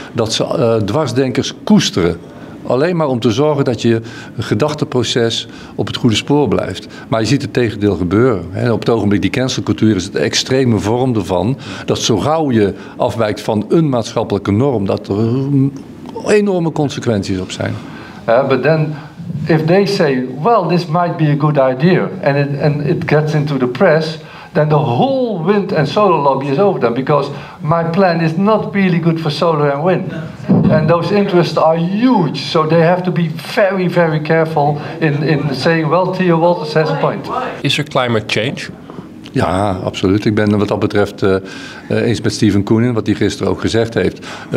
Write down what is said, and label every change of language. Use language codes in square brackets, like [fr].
[nl] Dat ze dwarsdenkers koesteren. Alleen maar om te zorgen dat je gedachtenproces op het goede spoor blijft. Maar je ziet het tegendeel gebeuren. En op het ogenblik, die cancelcultuur is het extreme vorm ervan. Dat zo gauw je afwijkt van een maatschappelijke norm, dat er enorme consequenties op zijn. [en] But then, if they say, well, this might be a good idea, and it gets into the press, then the whole wind and solar lobby is over them, because my plan is not really good for solar and wind. And those interests are huge, so they have to be very, very careful in saying, well, Theo Wolters has a point. Is there climate change? [nl] Ja, absoluut. Ik ben wat dat betreft eens met Steven Koonin, wat hij gisteren ook gezegd heeft.